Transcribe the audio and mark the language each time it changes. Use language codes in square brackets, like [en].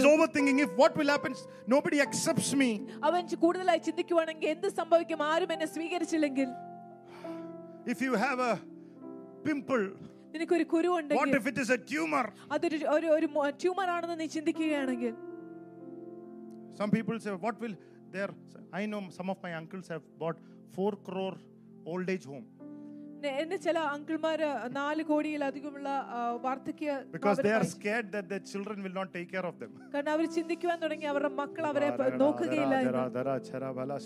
[en] But he's overthinking, if what will happen, nobody accepts me. [ml] അവൻ കൂടുതലായി ചിന്തിക്കുകയാണെങ്കിൽ എന്ത് സംഭവിക്കും, ആരും എന്നെ സ്വീകരിച്ചില്ലെങ്കിൽ. [en] If you have a pimple, [ml] നിനക്ക് ഒരു കുരു ഉണ്ടെങ്കിൽ. [en] What if it is a tumor? [ml] അത് ഒരു ഒരു ട്യൂമർ ആണെന്ന് നീ ചിന്തിക്കുകയാണെങ്കിൽ. [en] Some people say, what will there, I know some of my uncles have bought 4 crore old age home. Because they are scared that their children will not take care of them. [ml] കാരണം അവർ ചിന്തിക്കാൻ തുടങ്ങി അവരുടെ മക്കൾ അവരെ നോക്കുകയില്ല.